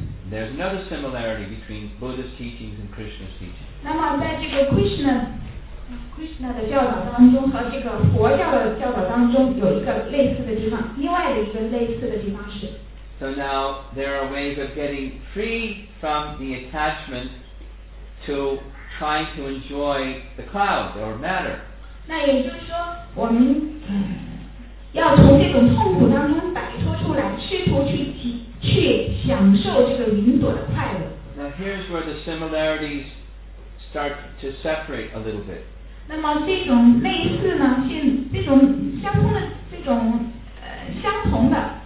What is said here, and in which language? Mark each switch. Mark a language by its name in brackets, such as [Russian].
[English] There's another similarity between Buddha's teachings and Krishna's teachings. [Chinese] 那么在这个 Krishna 的教导当中和这个佛教的教导当中有一个类似的地方，另外的一个类似的地方是。 [English] So now there are ways of getting free from the attachment to trying to enjoy the cloud or matter. [Chinese] 那也就是说，我们要从这种痛苦当中摆脱出来，试图去享受这个云朵的快乐。 [English] Now here's where the similarities start to separate a little bit. [Chinese] 那么这种类似呢，这种相通的这种相同的。